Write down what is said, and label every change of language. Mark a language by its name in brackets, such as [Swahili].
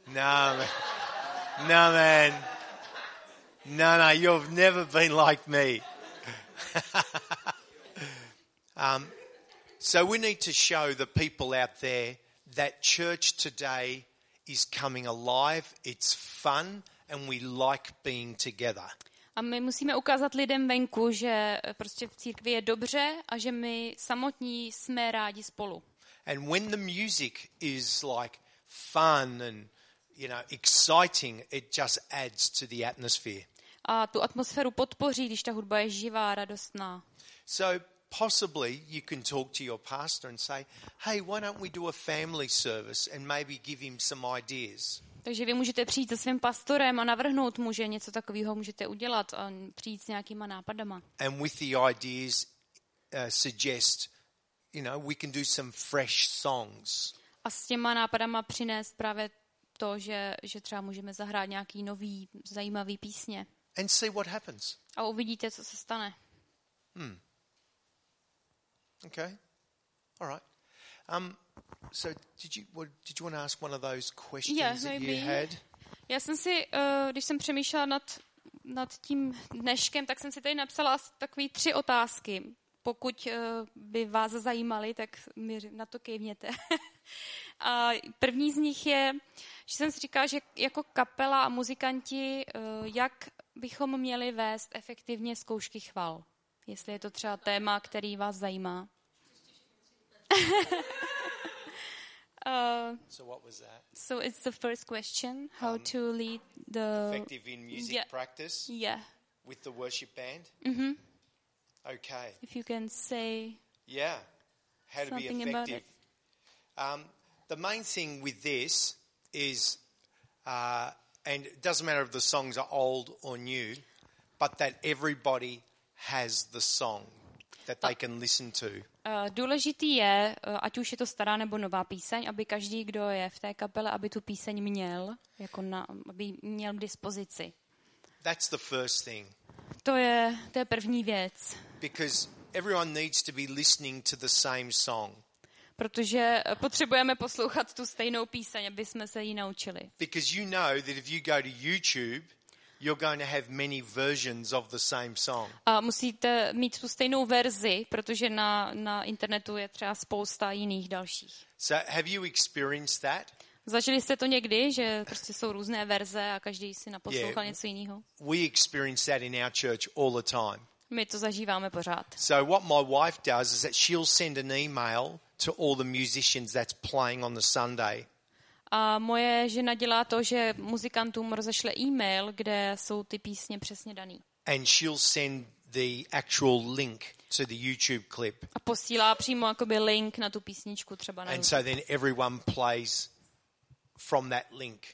[English] No, man. No, you've never been like me. So we need to show the people out there that church today is coming alive, it's fun, and we like being together. [Czech] A my musíme ukázat lidem venku, že prostě v církvi je dobře a že my samotní jsme rádi spolu. [English] And when the music is like fun and, you know, exciting, it just adds to the atmosphere. [Czech] A tu atmosféru podpoří, když ta hudba je živá, radostná. [English] So possibly you can talk to your pastor and say, hey, why don't we do a family service and maybe give him some ideas. [Czech] Takže vy můžete přijít se svým pastorem a navrhnout mu, že něco takového můžete udělat a přijít s nějakýma nápadama. [English] And with the ideas suggest, you know, we can do some fresh songs. [Czech] A s těma nápadama přinést právě to, že třeba můžeme zahrát nějaký nový zajímavý písně. [English] And see what happens. [Czech] A uvidíte, co se stane. [English] Okay. All right. So did you want to ask one of those questions that you had? [Czech] Já jsem si, když jsem přemýšlela nad nad tím dneškem, tak jsem si tady napsala takové tři otázky. Pokud by vás zajímaly, tak mi na to kývněte. A první z nich je, že jsem si říkala, že jako kapela a muzikanti, jak bychom měli vést efektivně zkoušky chval? Jestli je to třeba téma, který vás zajímá. [English] So what was that? So it's the first question, how to lead the effective in music practice? Yeah. With the worship band? Mm-hmm. Okay. If you can say yeah, how to be effective. About it. The main thing with this is and it doesn't matter if the songs are old or new, but that everybody has the song that they can listen to. [Czech] Důležitý je, ať už je to stará nebo nová píseň, aby každý, kdo je v té kapele, aby tu píseň měl, jako na, aby měl k dispozici. [English] That's the first thing. [Czech] To je první věc. [English] Because everyone needs to be listening to the same song. [Czech] Protože potřebujeme poslouchat tu stejnou píseň, aby jsme se ji naučili. [English] Because you know that if you go to YouTube, you're going to have many versions of the same song. [Czech] A musíte mít tu stejnou verzi, protože na internetu je třeba spousta jiných dalších. [English] So have you experienced that? [Czech] Zažili jste to někdy, že prostě jsou různé verze a každý si naposlouchal něco jiného? [English] We experience that in our church all the time. [Czech] My to zažíváme pořád. [English] So what my wife does is that she'll send an email to all the musicians that's playing on the Sunday. [Czech] A moje žena dělá to, že muzikantům rozešle e-mail, kde jsou ty písně přesně daný. [English] And she'll send the actual link to the YouTube clip. [Czech] A posílá přímo jakoby link na tu písničku třeba na [English] And YouTube. So then everyone plays from that link.